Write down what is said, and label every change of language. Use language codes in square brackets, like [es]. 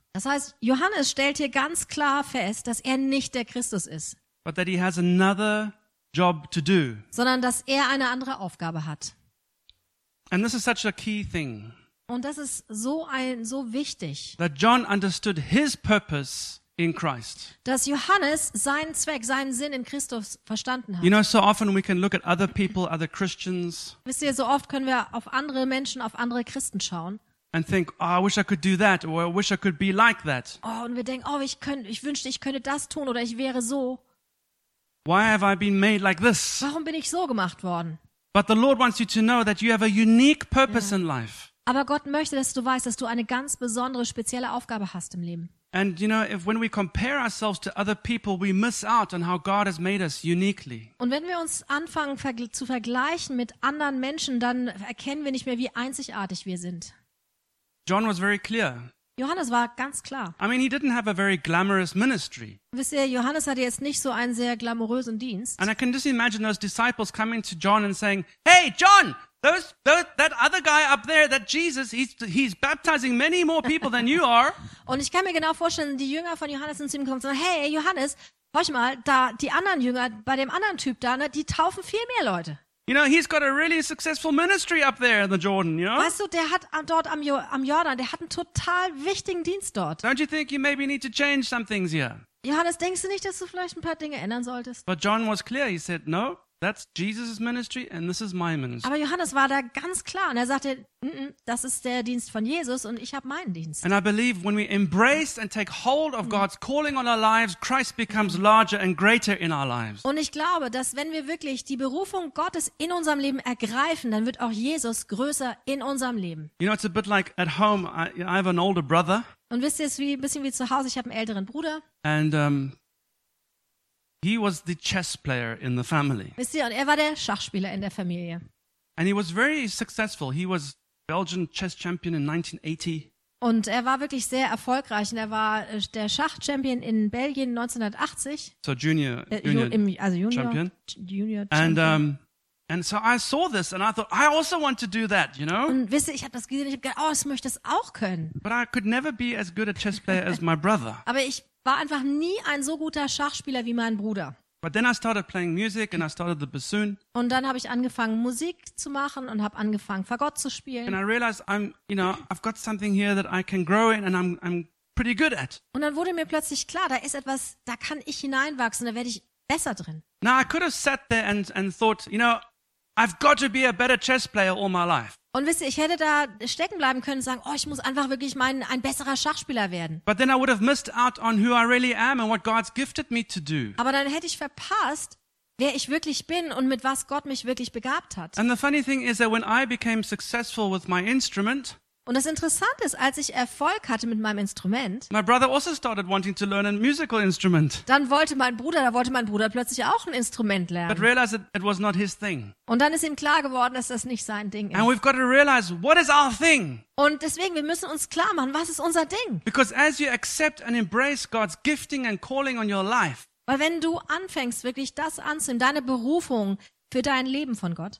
[de] Das heißt, Johannes stellt hier ganz klar fest, dass er nicht der Christus ist. [en] But that he has another job to do. [de] Sondern dass er eine andere Aufgabe hat. [en] And this is such a key thing. [de] Und das ist so wichtig. [en] That John understood his purpose in Christ. [de] Dass Johannes seinen Zweck, seinen Sinn in Christus verstanden hat. [en] You know, so often we can look at other people, other Christians. [de] Wisst ihr, so oft können wir auf andere Menschen, auf andere Christen schauen. [en] And think, oh, I wish I could do that, or I wish I could be like that. [de] Oh, und wir denken, oh, ich wünschte, ich könnte das tun oder ich wäre so. [en] Why have I been made like this? [de] Warum bin ich so gemacht worden? [en] But the Lord wants you to know that you have a unique purpose in life. [de] Aber Gott möchte, dass du weißt, dass du eine ganz besondere, spezielle Aufgabe hast im Leben. [en] And you know, if when we compare ourselves to other people, we miss out on how God has made us uniquely. [de] Und wenn wir uns anfangen zu vergleichen mit anderen Menschen, dann erkennen wir nicht mehr, wie einzigartig wir sind. [en] John was very clear. [de] Johannes war ganz klar. [en] I mean, he didn't have a very glamorous ministry. [de] Wisst ihr, Johannes hatte jetzt nicht so einen sehr glamourösen Dienst. [en] And I can just imagine those disciples coming to John and saying, "Hey, John, that other guy up there, that Jesus, he's baptizing many more people than you are." [de] Und ich kann mir genau vorstellen, die Jünger von Johannes sind zu ihm gekommen und sagen, "Hey, Johannes, hör mal, da die anderen Jünger bei dem anderen Typ da, ne, die taufen viel mehr Leute." [en] You know, he's got a really successful ministry up there in the Jordan, you know? [de] Weißt du, der hat dort am Jordan, der hat einen total wichtigen Dienst dort. [en] Don't you think you maybe need to change some things here? [de] Johannes, denkst du nicht, dass du vielleicht ein paar Dinge ändern solltest? [en] But John was clear, he said, "No, that's Jesus' ministry and this is my ministry." [de] Aber Johannes war da ganz klar und er sagte, das ist der Dienst von Jesus und ich habe meinen Dienst. [en] And I believe when we embrace and take hold of God's calling on our lives, Christ becomes larger and greater in our lives. [de] Und ich glaube, dass wenn wir wirklich die Berufung Gottes in unserem Leben ergreifen, dann wird auch Jesus größer in unserem Leben. [en] You know, it's a bit like at home, I have an older brother. [de] Und wisst ihr, es ist wie, ein bisschen wie zu Hause, ich habe einen älteren Bruder. [en] And he was the chess player in the family. [de] Wisst ihr, und er war der Schachspieler in der Familie. [en] And he was very successful. He was Belgian chess champion in 1980. [de] Und er war wirklich sehr erfolgreich und er war der Schachchampion in Belgien 1980. [en] So junior champion. [de] Junior champion. [en] And so I saw this and I thought, I also want to do that, you know? [de] Und wisst ihr, ich habe das gesehen, ich habe gedacht, oh, ich möchte das auch können. [en] But I could never be as good a chess player as my brother. [de] Aber ich war einfach nie ein so guter Schachspieler wie mein Bruder. [en] But then I started playing music and I started the bassoon. [de] Und dann habe ich angefangen Musik zu machen und habe angefangen vor Gott zu spielen. [en] And I realized I've got something here that I can grow in and I'm pretty good at. [de] Und dann wurde mir plötzlich klar, da ist etwas, da kann ich hineinwachsen, da werde ich besser drin. [en] Now I could have sat there and thought, you know, I've got to be a better chess player all my life. [de] Und wisst ihr, ich hätte da stecken bleiben können und sagen, oh, ich muss einfach wirklich ein besserer Schachspieler werden. [en] But then I would have missed out on who I really am and what God's gifted me to do. [de] Aber dann hätte ich verpasst, wer ich wirklich bin und mit was Gott mich wirklich begabt hat. [en] And the funny thing is that when I became successful with my instrument. [de] Und das Interessante ist, als ich Erfolg hatte mit meinem Instrument. [en] My brother also started wanting to learn a musical instrument. [de] Da wollte mein Bruder plötzlich auch ein Instrument lernen. [en] But realized it was not his thing. [de] Und dann ist ihm klar geworden, dass das nicht sein Ding ist. [en] And we've got to realize, what is our thing? [de] Und deswegen, wir müssen uns klar machen, was ist unser Ding? [en] Because as you accept and embrace God's gifting and calling on your life. [de] Weil wenn du anfängst, wirklich das anzunehmen, deine Berufung für dein Leben von Gott.